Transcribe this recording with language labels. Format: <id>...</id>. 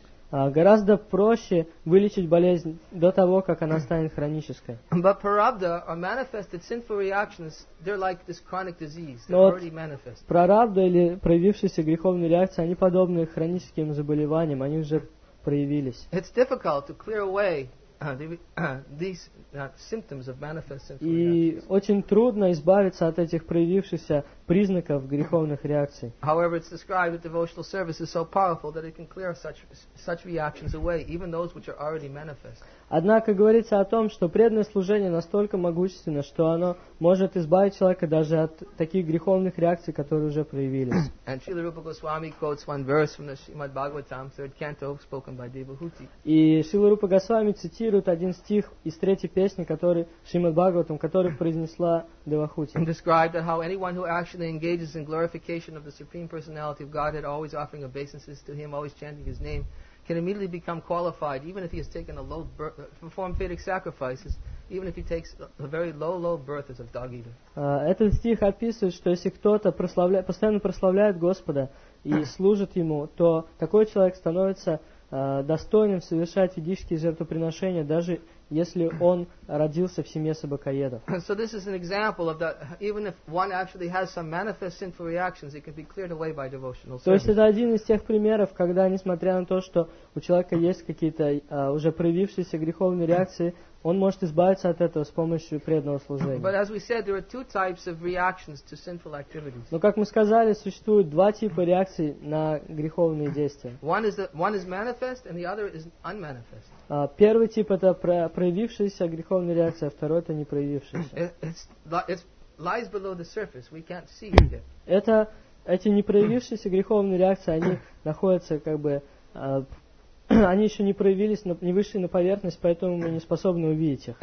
<ru>Гораздо проще вылечить болезнь до того, как она станет хронической.</ru> <en>But prarabdha or manifested sinful reactions, they're like this chronic disease. They're already manifest.</en> <ru>Прарабдха или проявившиеся греховные реакции, они подобны хроническим заболеваниям, они уже проявились.</ru> <en>It's difficult to clear away these symptoms of manifest sinful reactions.</en> <ru>И очень трудно избавиться от этих проявившихся признаков греховных реакций.</ru> <en>However, it's described that devotional service is so powerful that it can clear such reactions away, even those which are already manifest.</en> <ru>Однако говорится о том, что преданное служение настолько могущественно, что оно может избавить человека даже от таких греховных реакций, которые уже проявились.</ru> <en>And Srila Rupa Goswami quotes one verse from the Srimad Bhagavatam, third canto, spoken by Devahuti.</en> <ru>И Шрила Рупа Госвами цитирует один стих из третьей песни, который Шримад Бхагаватам, который произнесла Девахути.</ru> <en>Described that how anyone who actually engages in glorification of the Supreme Personality of Godhead, always offering obeisances to Him, always chanting His name, can immediately become qualified, even if he has taken a low birth, perform Vedic sacrifices, even if he takes a very low birth as a dog eater.</en> <ru>Этот стих описывает, что если кто-то постоянно прославляет Господа и служит Ему, то такой человек становится достойным совершать ведические жертвоприношения, даже если он родился в семье собакоедов.</ru> <en>So this is an example of that. Even if one actually has some manifest sinful reactions, it can be cleared away by devotional service.</en> <ru>То есть это один из тех примеров, когда, несмотря на то, что у человека есть какие-то уже проявившиеся греховные реакции, он может избавиться от этого с помощью преданного служения.</ru> <en>But as we said, there are two types of reactions to sinful activities.</en> <ru>Но как мы сказали, существует два типа реакций на греховные действия.</ru> <en>One is manifest, and the other is unmanifest.</en> <ru>Первый тип это проявившаяся греховная реакция, а второй это не проявившаяся.</ru> <en>It lies below the surface. We can't see it.</en> <ru>Эти не проявившиеся греховные реакции, они находятся как бы они еще не проявились, не вышли на поверхность, поэтому мы не способны увидеть их.</ru>